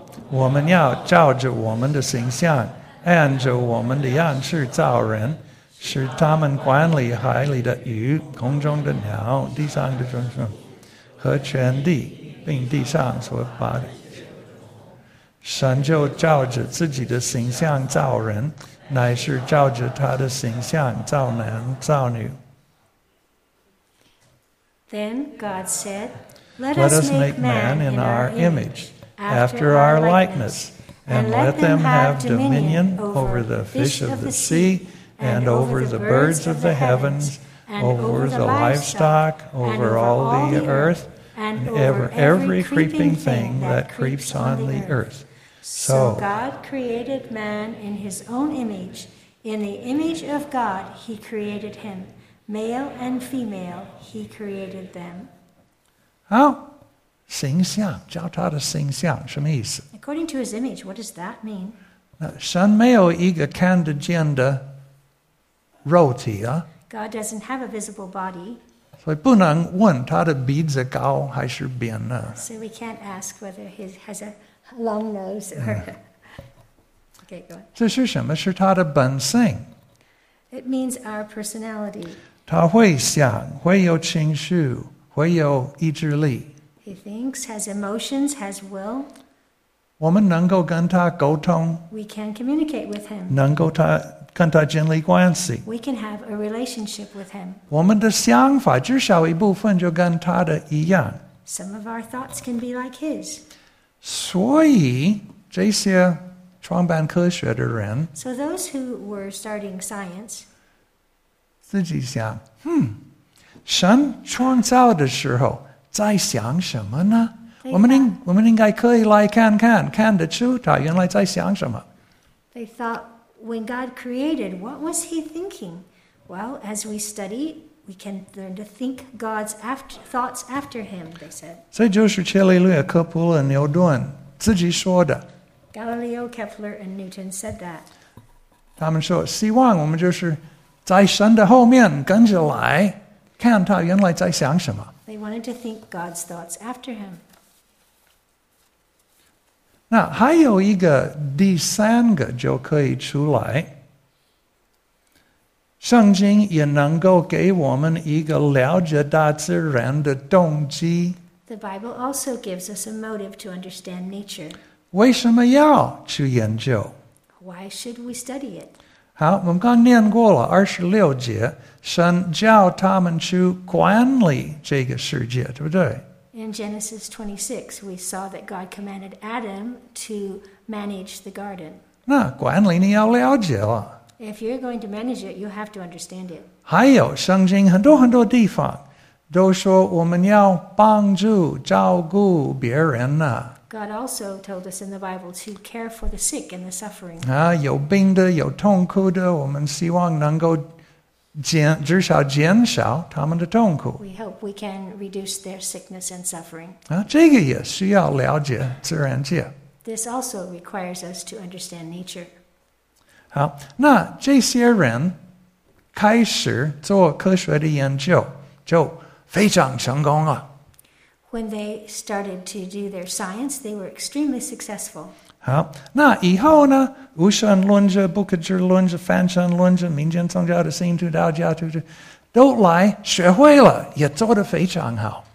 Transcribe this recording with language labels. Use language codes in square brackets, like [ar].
[zh] 我们要照着我们的形象，按着我们的样式造人，使他们管理海里的鱼、空中的鸟、地上的众生和全地，并地上所发的。神就照着自己的形象造人，乃是照着他的形象造男造女。 [en] Then God said, Let us make man in our image, after our likeness, and let them have dominion over the fish of the sea, and over the birds of the heavens, over the livestock, over all the earth, and over every creeping thing that creeps on the earth. So God created man in his own image. In the image of God, he created him. Male and female, he created them. [zh] 好，形象，照他的形象，什么意思？ [en] According to his image, what does that mean? [zh] 那神没有一个看得见的肉体啊。 [en] God doesn't have a visible body. [zh] 所以不能问他的鼻子高还是扁呢。 [en] So we can't ask whether he has a long nose or... Okay, go on. [zh] 这是什么？是他的本性。 [en] It means our personality. [zh] 他会想，会有情绪，会有意志力。 [en] He thinks, has emotions, has will. [zh] 我们能够跟他沟通。 [en] We can communicate with him. [zh] 能够他跟他建立关系。 [en] We can have a relationship with him. [zh] 我们的想法至少一部分就跟他的一样。 [en] Some of our thoughts can be like his. [zh] 所以这些创办科学的人 [en] ，So those who were starting science， [zh] 自己想，神创造的时候在想什么呢？我们应该可以来看看，看得出他原来在想什么。 [en] They thought when God created, what was he thinking? Well, as we study, we can learn to think God's thoughts after him. They said， [zh] 这就是伽利略、科普勒、牛顿自己说的。 [en] Galileo, Kepler, and Newton said that. [zh] 他们说，希望我们就是在神的后面跟着来。看他原来在想什么。 [en] They wanted to think God's thoughts after him. [zh] 那还有一个第三个就可以出来。圣经也能够给我们一个了解大自然的动机。 [en] The Bible also gives us a motive to understand nature. [zh] 为什么要去研究？ [en] Why should we study it? [zh] 好，我们刚念过了26节，神叫他们去管理这个世界，对不对？ [en] In Genesis 26, we saw that God commanded Adam to manage the garden. [zh] 那管理你要了解了。 [en] If you're going to manage it, you have to understand it. [zh] 还有圣经很多很多地方都说我们要帮助照顾别人呢。 [en] God also told us in the Bible to care for the sick and the suffering. [zh] 啊，有病的，有痛苦的，我们希望能够至少减少他们的痛苦。 [en] We hope we can reduce their sickness and suffering. [zh] 啊，这个也需要了解自然界。 [en] This also requires us to understand nature. [zh] 好，那这些人开始做科学的研究，就非常成功了。 [en] When they started to do their science, they were extremely successful. [zh] 好，那以后呢？无神论者、不可知论者、泛神论者、民间宗教的信徒、道教徒，都来学会了，也做得非常好。